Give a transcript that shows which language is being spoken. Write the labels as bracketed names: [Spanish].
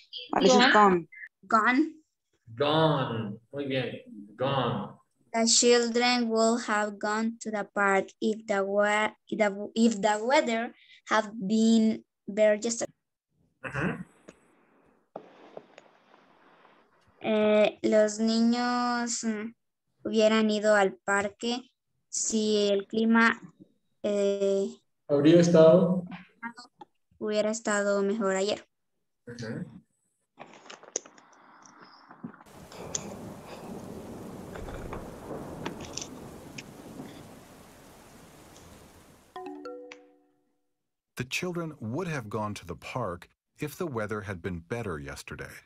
[English] What is it, gone? Gone. Gone. [Spanish] Muy bien. [English] Gone. The children will have gone to the park if the weather have been better yesterday. Uh-huh. [Spanish] Los niños hubieran ido al parque si el clima hubiera estado mejor ayer. [English] The children would have gone to the park if the weather had been better yesterday.